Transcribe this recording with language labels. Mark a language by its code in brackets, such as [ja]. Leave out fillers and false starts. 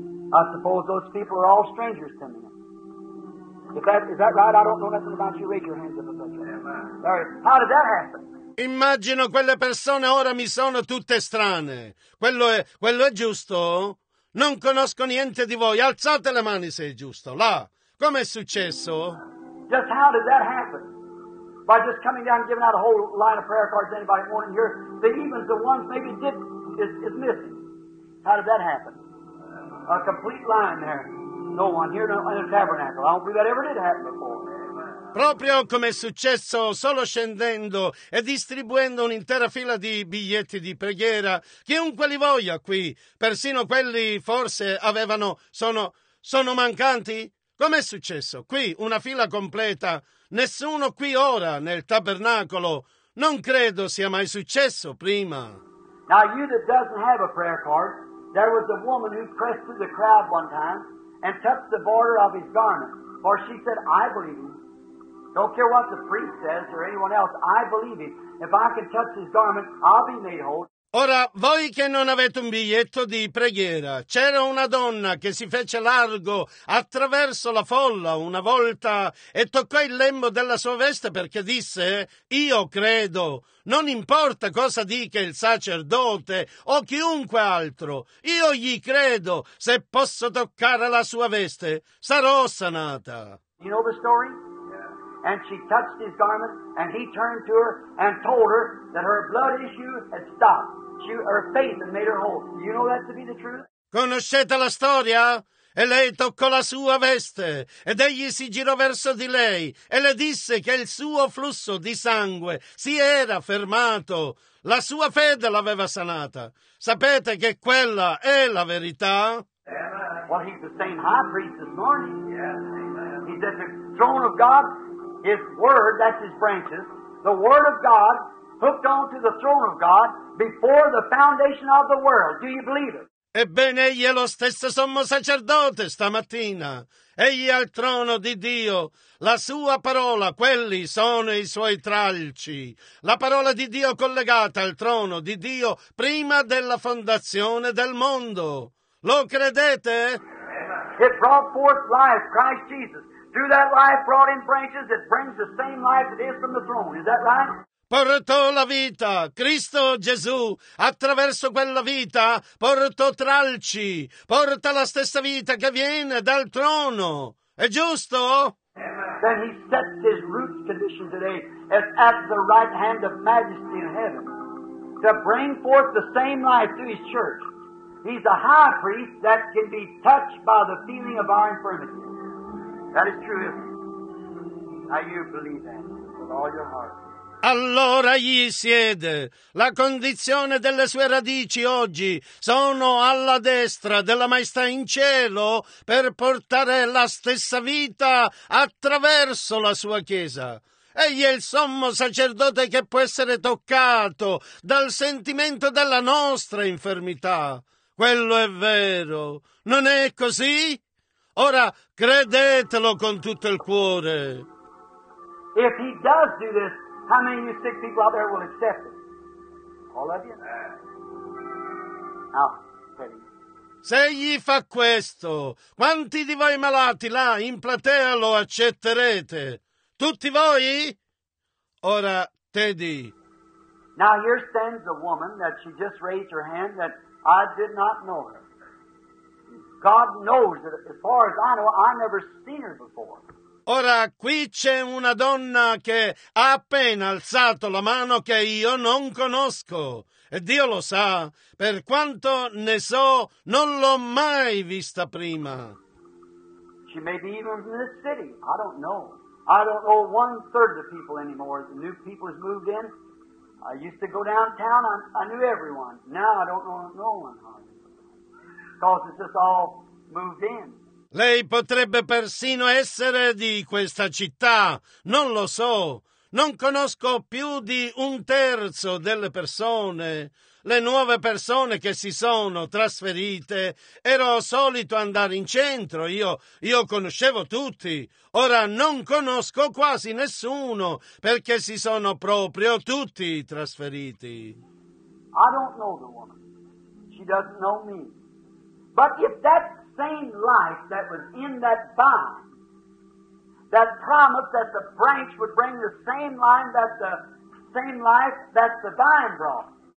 [en] I suppose those people are all strangers to me. Is that right? I don't know nothing about you. Raise your hands up. How did that happen? [it] Immagino quelle persone ora mi sono tutte strane. Quello è giusto? Non conosco niente di voi. Alzate le mani se è giusto. Là. Come è successo? [en] Just how did that happen? By just coming down and giving out a whole line of prayer cards to anybody wanting here. The even the ones maybe did is missing. How did that happen? A complete line there. No one here in the tabernacle. I don't believe that ever did happen before. [it] Proprio come è successo, solo scendendo e distribuendo un'intera fila di biglietti di preghiera, chiunque li voglia qui, persino quelli forse avevano, sono mancanti? Com'è successo? Qui una fila completa, nessuno qui ora nel tabernacolo, non credo sia mai successo prima. [en] Now you that doesn't have a prayer card, there was a woman who pressed through the crowd one time and touched the border of his garment, for she said, I believe. Don't care what the priest says or anyone else, I believe it. If I can touch his garment, I'll be made whole. [it] Ora, voi che non avete un biglietto di preghiera, c'era una donna che si fece largo attraverso la folla una volta e toccò il lembo della sua veste perché disse: io credo, non importa cosa dica il sacerdote o chiunque altro, io gli credo, se posso toccare la sua veste, sarò sanata. [en] You know the story? And she touched his garment, and he turned to her and told her that her blood issue had stopped. She, her faith had made her whole. Do you know that to be the truth? [it] Conoscete la storia? E lei toccò la sua veste, ed egli si girò verso di lei, e le disse che il suo flusso di sangue si era fermato. La sua fede l'aveva sanata. Sapete che quella è la verità? [en] Yeah. Well, he's the same high priest this morning. Yeah. He's at the throne of God. His word, that's his branches, the word of God hooked onto the throne of God before the foundation of the world. Do you believe it? [it] Ebbene, egli è lo stesso sommo sacerdote stamattina. Egli è al trono di Dio. La sua parola, quelli sono i suoi tralci. La parola di Dio collegata al trono di Dio prima della fondazione del mondo. Lo credete? [en] It brought forth life, Christ Jesus. Through that life brought in branches, it brings the same life that is from the throne. Is that right? [it] Portò la vita, Cristo Gesù, attraverso quella vita, portò tralci, porta la stessa vita che viene dal trono. È giusto? [en] Then he sets his roots condition today as at the right hand of majesty in heaven to bring forth the same life through his church. He's a high priest that can be touched by the feeling of our infirmity. That is true, isn't it? Now you believe that with all your heart. [it] Allora gli siede. La condizione delle sue radici oggi sono alla destra della Maestà in cielo per portare la stessa vita attraverso la sua Chiesa. Egli è il sommo sacerdote che può essere toccato dal sentimento della nostra infermità. Quello è vero. Non è così? Ora credetelo con tutto il cuore. [en] If he does do this, how many of you sick people out there will accept it? All of you? Now, [it] se gli fa questo, quanti di voi malati là in platea lo accetterete? Tutti voi? Ora, Teddy. [en] Now, here stands a woman that she just raised her hand that I did not know her. God knows that as far as I know, I've never seen her before. [it] Ora, qui c'è una donna che ha appena alzato la mano che io non conosco. E Dio lo sa, per quanto ne so, non l'ho mai vista prima. [en] She may be even from this city. I don't know. I don't know one third of the people anymore. The new people has moved in. I used to go downtown, I knew everyone. Now I don't know no one. Because it's just all moved in. [it] Lei potrebbe persino essere di questa città, non lo so. Non conosco più di un terzo delle persone. Le nuove persone che si sono trasferite, ero solito andare in centro, io conoscevo tutti. Ora non conosco quasi nessuno, perché si sono proprio tutti trasferiti. [en] I don't know the woman. She doesn't know me. But if that's same life that was in that vine, that promise that the branch would bring the same line that the same life that the vine brought.